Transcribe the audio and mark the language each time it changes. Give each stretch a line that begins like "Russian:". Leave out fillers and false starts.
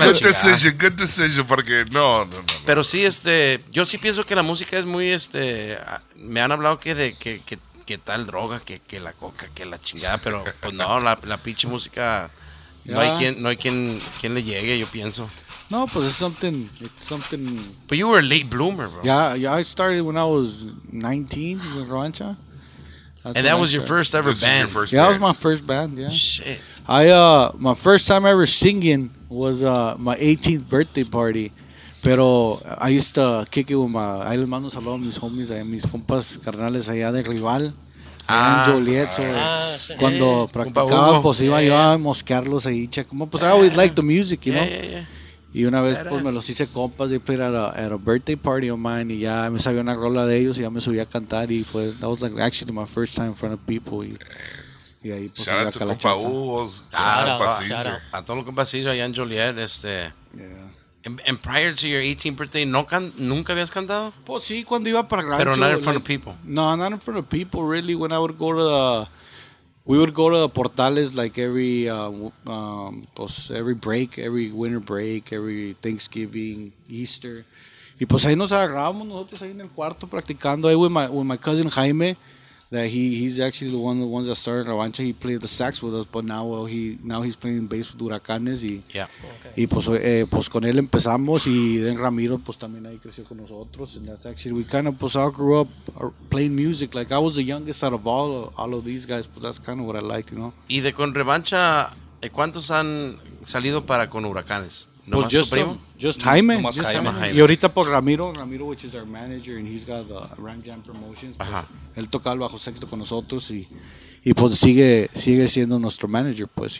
English: Good decision,
Spanish: porque no. Pero sí, yo sí pienso que la música es muy, me han hablado que qué tal droga, que la coca, que la chingada, pero pues no, la pinche música, no hay quien le llegue, yo pienso.
English: No, pues it's something. But you were a late bloomer, bro. Yeah, I started when I was 19 with Revancha. And that was your first ever band. That was my first band, yeah. Shit. My first time ever singing was my 18th birthday party. Pero I used to kick it with my...
Spanish: Ahí les mando saludos a mis homies, a mis compas carnales allá de Rival. Cuando practicaba, pues iba yo a mosquearlos ahí.
English: Pues I always liked the music, you know? Yeah.
Spanish: Y una vez pues me los hice compas,
English: they played at a birthday party of mine,
Spanish: y ya me sabía una rola de ellos y ya me subí a cantar y fue...
English: That was like actually my first time in front of people.
Spanish: Y ahí pues iba a calachaza.
English: Shout out to
Spanish: compa Hugo. A todos los compas hizo allá en Joliet,
English: Yeah. And prior to your 18th birthday,
Spanish: ¿nunca habías cantado?
English: Pues sí, cuando iba para rancho. Pero not in front of people. No, not in front of people, really. When I would go to the... We would go to the portales like every... every break, every winter break, every Thanksgiving, Easter.
Spanish: Y pues ahí nos agarrábamos nosotros ahí en el cuarto practicando.
English: Ahí with my cousin Jaime. That he's actually the ones that started Revancha. He played the sax with us, but now he's playing bass with Huracanes.
Spanish: Y,
English: yeah.
Spanish: Okay. Y pues, pues con él empezamos, y then Ramiro pues también ahí creció con nosotros.
English: And that's actually, we kind of pues all grew up playing music. Like I was the youngest out of all of these guys, but that's kind of what I liked, you know.
Spanish: Y de con Revancha, ¿cuántos han salido para con Huracanes?
English: No, pues just Jaime.
Spanish: Y ahorita por Ramiro,
English: which is our manager, and he's got the Ram Jam Promotions.
Spanish: Ajá. Pues, él toca el bajo sexto con nosotros y pues sigue siendo nuestro manager, pues.